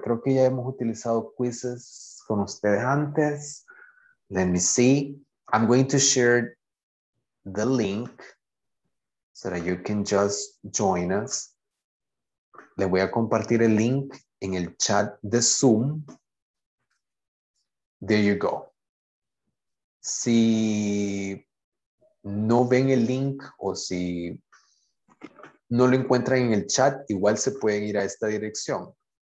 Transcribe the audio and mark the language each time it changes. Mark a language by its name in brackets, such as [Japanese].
[Spanish] Creo que ya hemos utilizado quizzes con ustedes antes. [English] Let me see. I'm going to share the link so that you can just join us. [Spanish] Le voy a compartir el link en el chat de Zoom. [English] There you go. [Spanish] Si no ven el link o si no lo encuentran en el chat, igual se pueden ir a esta dirección.